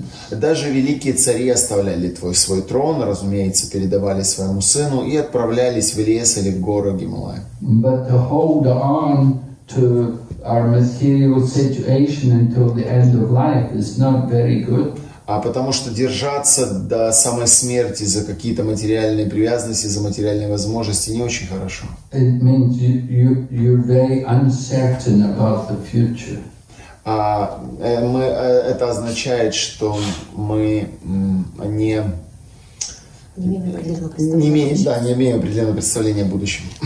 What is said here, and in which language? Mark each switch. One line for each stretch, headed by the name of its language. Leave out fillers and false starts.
Russian: Даже великие цари оставляли свой трон, разумеется, передавали своему сыну и отправлялись в лес или в горы Гималаи.
English: But to hold on to our material situation until the end of life is not very good.
Russian: А потому что держаться до самой смерти за какие-то материальные привязанности, за материальные возможности не очень хорошо.
English: It means you're very uncertain about the future.
Russian: Это означает, что мы не имеем определенного представления о будущем.